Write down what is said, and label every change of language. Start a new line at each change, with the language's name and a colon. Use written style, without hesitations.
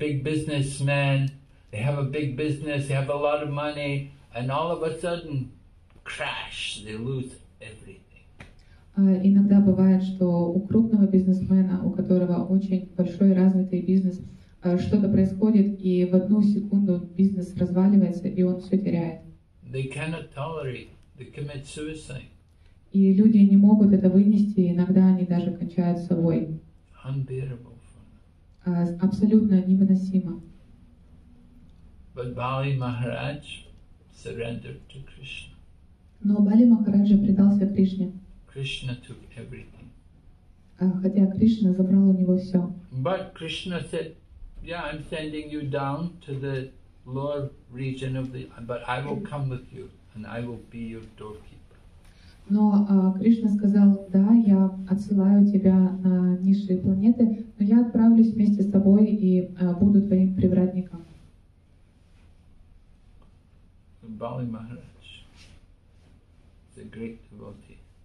English: Big businessmen, they have a big business, they have a lot of money, and all of a sudden, crash, they lose everything.
Russian: Иногда бывает, что у крупного бизнесмена, у которого очень большой развитый бизнес, что-то происходит, и в одну секунду бизнес разваливается, и он все теряет.
English: They cannot tolerate, they commit suicide.
Russian: И люди не могут это вынести, иногда они даже кончают собой.
English: Unbearable.
Russian: Абсолютно невыносимо.
English: But Bali Maharaj surrendered to Krishna.
Russian: Но Бали Махараджа предался Кришне.
English: Krishna took everything.
Russian: Хотя Кришна забрал у него все.
English: But Krishna said, yeah, I'm sending you down to the lower region of the, but I will come with you and I will be your doorkeeper.
Russian: Но Кришна сказал, да, я отсылаю тебя на низшие планеты, но я отправлюсь вместе с тобой и буду твоим привратником.
English: Bali Maharaj is a great devotee.